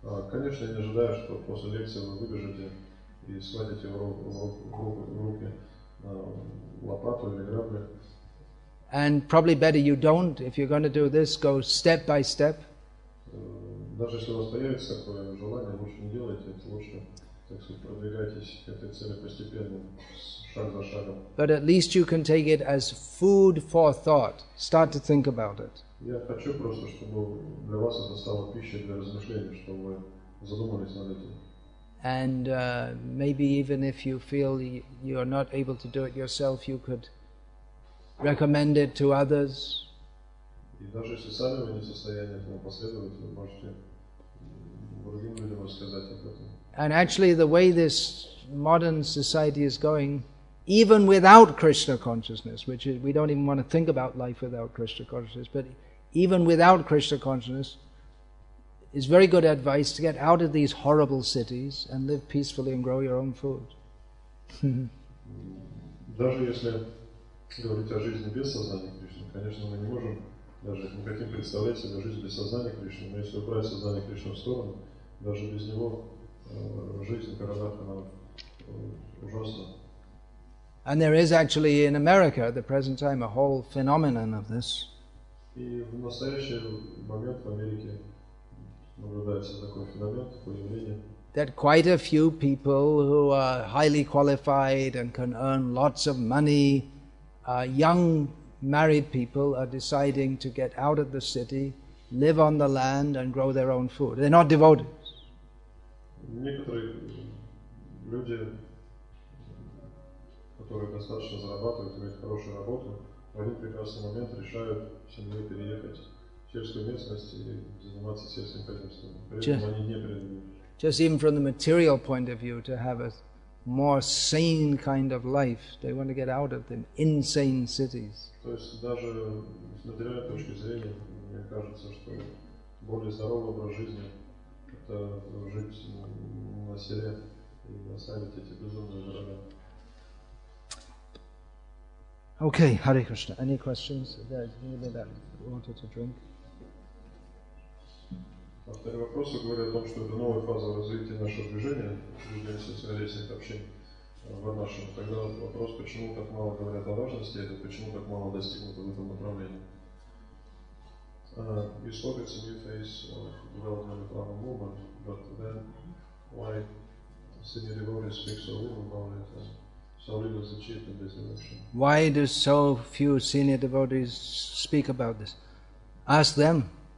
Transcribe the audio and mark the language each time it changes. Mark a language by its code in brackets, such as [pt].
[ru] Конечно, я не ожидаю, что после лекции вы выбежите и схватите в руки лопату или грабли. [en] And probably better you don't. If you're going to do this, go step by step. [ru] Даже если у вас появится такое желание, лучше не делайте это. Лучше, так сказать, продвигайтесь к этой цели постепенно, шаг за шагом. [en] But at least you can take it as food for thought. Start to think about it. [ru] Я хочу просто, чтобы для вас это стало пищей для размышления, чтобы вы задумались над этим. [en] And maybe even if you feel you are not able to do it yourself, you could recommend it to others. [ru] И даже если сами вы не в состоянии этому последовать, вы можете другим людям рассказать об этом. [en] And actually, the way this modern society is going, even without Krishna consciousness, which is, we don't even want to think about life without Krishna consciousness, but even without Krishna consciousness, is very good advice to get out of these horrible cities and live peacefully and grow your own food. [ru] Даже если говорить о жизни без сознания Кришны, конечно, мы не можем даже никаким представлять себе жизнь без сознания Кришны, но если убрать сознание Кришны в сторону, даже без него жизнь в городах, она ужасна. [en] And there is actually in America at the present time a whole phenomenon of this. [ru] И в настоящий момент в Америке наблюдается такой феномен, такое явление. [en] That quite a few people who are highly qualified and can earn lots of money, young married people are deciding to get out of the city, live on the land, and grow their own food. They're not devotees. [ru] Некоторые люди, от которые достаточно зарабатывают, имеют хорошую работу, в один прекрасный момент решают семье переехать в сельскую местность и заниматься сельским хозяйством. [en] Just even from the material point of view, to have a more sane kind of life, they want to get out of the insane cities. [ru] То есть даже с материальной точки зрения, мне кажется, что более здоровый образ жизни – это жить на селе и оставить эти безумные города. [en] Okay, Hare Krishna. Any questions? There's anybody that wanted to drink? [ru] Авторы вопроса говорят о том, что это новая фаза развития нашего движения, движения социалистических общин в Варнаше. Тогда вопрос, почему так мало говорят о важности этого, почему так мало достигнуто в этом направлении. [en] You spoke it's a new phase of development of our movement, but then why senior devotees speak so little about it and so little is achieved in this direction? Why do so few senior devotees speak about this? Ask them.